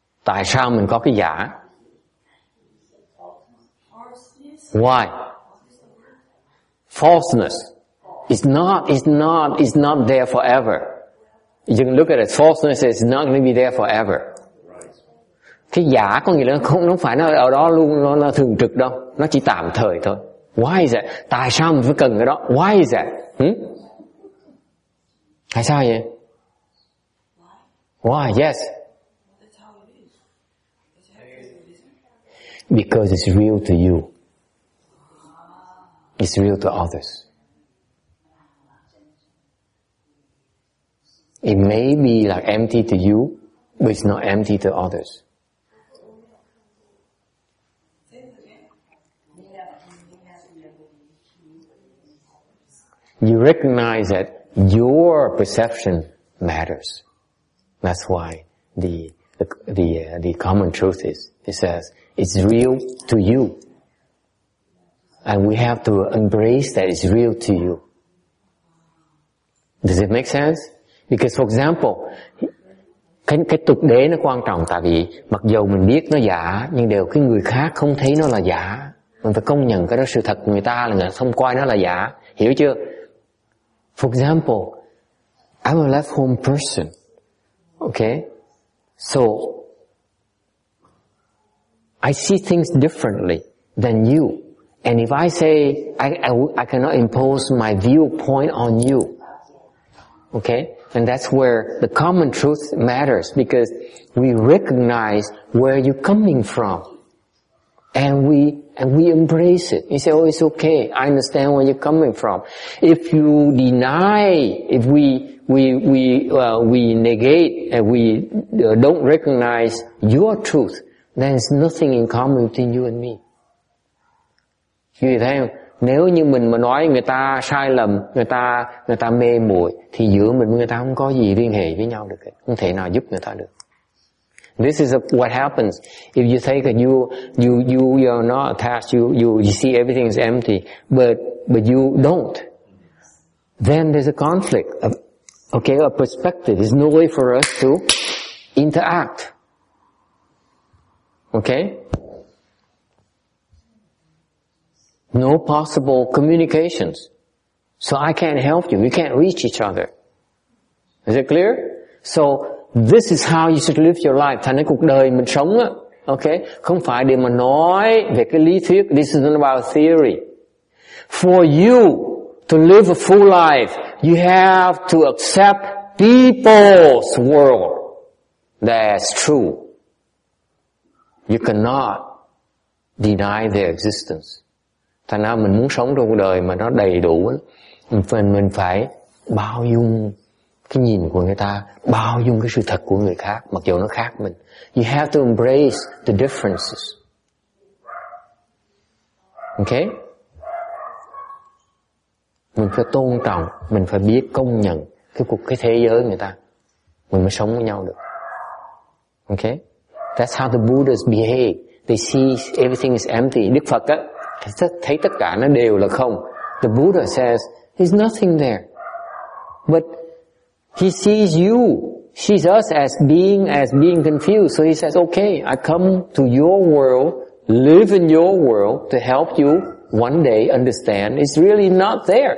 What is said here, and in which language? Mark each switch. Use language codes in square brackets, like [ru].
[vi] Tại sao mình có cái giả? [en] Why? Falseness. It's not there forever. You can look at it. Falseness is not going to be there forever. [vi] Cái giả có nghĩa là không phải nó ở đó luôn, nó thường trực đâu. Nó chỉ tạm thời thôi. [en] Why is that? [vi] Tại sao mình phải cần cái đó? [en] Why is that? [vi] Tại sao vậy? [en] Why? Yes. Because it's real to you. It's real to others. It may be like empty to you, but it's not empty to others. You recognize that your perception matters. That's why the common truth is, it says, it's real to you. And we have to embrace that it's real to you. Does it make sense? Because for example, [vi] cái tục đế nó quan trọng, tại vì mặc dù mình biết nó giả, nhưng đều cái người khác không thấy nó là giả. Mình phải công nhận cái đó sự thật, người ta là người không coi nó là giả. Hiểu chưa? [en] For example, I'm a left home person. Okay? So, I see things differently than you. And if I say, I cannot impose my viewpoint on you. Okay? And that's where the common truth matters, because we recognize where you're coming from. And we embrace it. You say, oh, it's okay. I understand where you're coming from. If we don't recognize your truth, then it's nothing in common between you and me. [vi] Vì thế, nếu như mình mà nói người ta sai lầm, người ta mê muội, thì giữa mình với người ta không có gì liên hệ với nhau được, không thể nào giúp người ta được. [en] This is what happens if you think that you are not attached, you see everything is empty, but you don't. Then there's a conflict, a perspective. There's no way for us to interact. Okay? No possible communications. So I can't help you. We can't reach each other. Is it clear? So, this is how you should live your life. [vi] Thành cái cuộc đời mình sống á, Ok, không phải để mà nói về cái lý thuyết. [en] This is not about theory. For you to live a full life, you have to accept people's world. That's true. You cannot deny their existence. [vi] Thành ra mình muốn sống trong cuộc đời mà nó đầy đủ, mình phải bao dung cái nhìn của người ta, bao dung cái sự thật của người khác, mặc dù nó khác mình. [en] You have to embrace the differences. Ok? [vi] Mình phải tôn trọng, mình phải biết công nhận cái thế giới người ta, mình mới sống với nhau được. Ok? [en] That's how the Buddhas behave. They see everything is empty. [vi] Đức Phật á, thấy tất cả nó đều là không. [en] The Buddha says, there's nothing there. But he sees you, sees us as being confused. So he says, okay, I come to your world, live in your world to help you one day understand it's really not there.